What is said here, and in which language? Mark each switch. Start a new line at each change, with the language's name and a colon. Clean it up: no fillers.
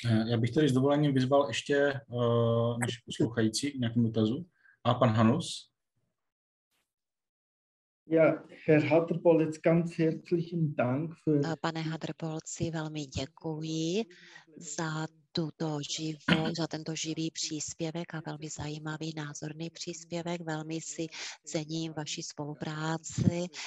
Czech: Já bych tady s dovolením vyzval ještě naši poslouchající k nějakému dotazu. A pan Hanus?
German: Ja, Herr Hatterpolz, ganz herzlichen Dank für.
Czech: Pane Hatterpolzi, velmi děkuji za tento živý příspěvek a velmi zajímavý názorný příspěvek. Velmi si cením vaši spolupráci.